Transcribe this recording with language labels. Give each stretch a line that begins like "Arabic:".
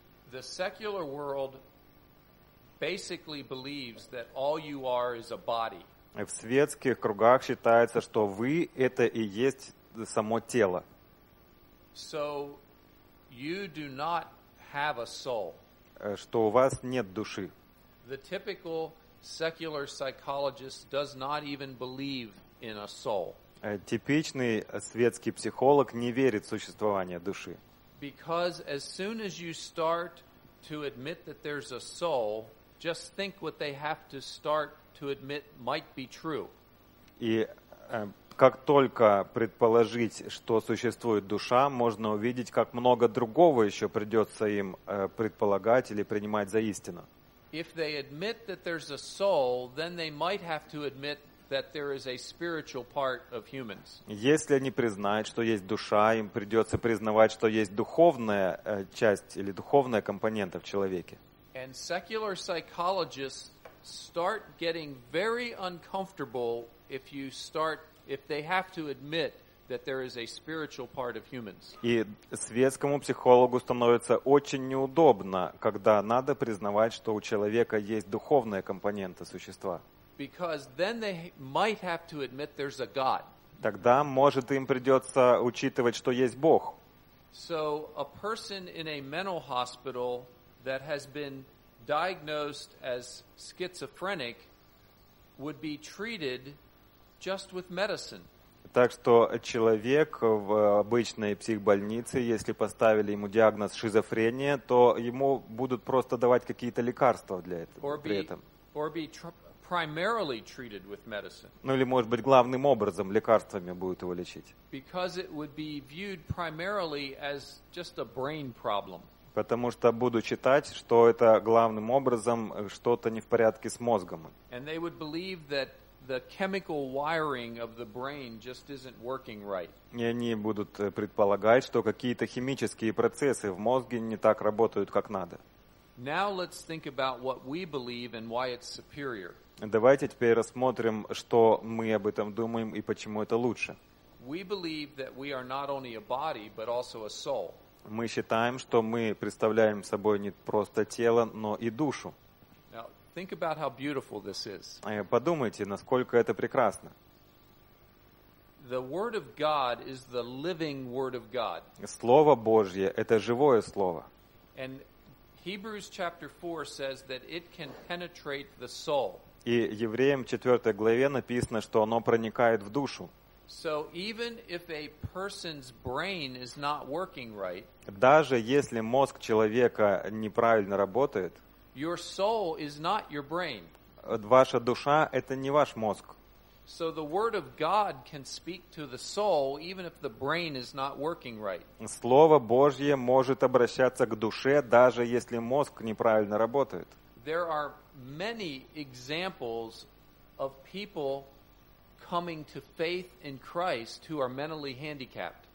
English: The secular world basically believes that all you are is a body.
Russian: В светских кругах считается, что вы это и есть само тело.
English: So you do not have a soul.
Russian: Что у вас нет души.
English: The typical secular psychologist does not even believe in a soul.
Russian: Типичный светский психолог не верит в существование души.
English: Because as soon as you start to admit that there's a soul, just think what they have to start to admit might be true.
Russian: И как только предположить, что существует душа, можно увидеть, как много другого еще придется им предполагать или принимать за истину.
English: If they admit that there's a soul, then they might have to admit that there is a spiritual part of humans.
Russian: Если они признают, что есть душа, им придется признавать, что есть духовная часть или духовная компонента в человеке.
English: And secular psychologists start getting very uncomfortable if they have to admit that there is a spiritual part of humans.
Russian: И светскому психологу становится очень неудобно, когда надо признавать, что у человека есть духовная компонента существа.
English: Because then they might have to admit there's a God.
Russian: Тогда, может, им придется учитывать, что есть Бог.
English: So a person in a mental hospital that has been diagnosed as schizophrenic would be treated just with medicine.
Russian: Так что человек в обычной психбольнице, если поставили ему диагноз шизофрения, то ему будут просто давать какие-то лекарства для этого.
English: Primarily treated with medicine.
Russian: Ну или, может быть, главным образом лекарствами будут его лечить.
English: Because it would be viewed primarily as just a brain problem.
Russian: Потому что буду считать, что это главным образом что-то не в порядке с мозгом.
English: And they would believe that the chemical wiring of the brain just isn't working right.
Russian: И они будут предполагать, что какие-то химические процессы в мозге не так работают, как надо.
English: Now let's think about what we believe and why it's superior.
Russian: Давайте теперь рассмотрим, что мы об этом думаем и почему это лучше.
English: We believe that we are not only a body, but also a soul.
Russian: Мы считаем, что мы представляем собой не просто тело, но и душу.
English: Now, think about how beautiful this is.
Russian: Подумайте, насколько это прекрасно.
English: The word of God is the living word of God.
Russian: Слово Божье – это живое слово.
English: And Hebrews chapter 4 says that it can penetrate the soul.
Russian: И Евреям в 4 главе написано, что оно проникает в душу.
English: So even if a person's brain is not working right,
Russian: даже если мозг человека неправильно работает,
English: your soul is not your brain.
Russian: Ваша душа – это не ваш мозг.
English: So the word of God can speak to the soul even if the brain is not working right.
Russian: Слово Божье может обращаться к душе, даже если мозг неправильно работает.
English: there are many examples of people coming to faith in Christ who are mentally handicapped.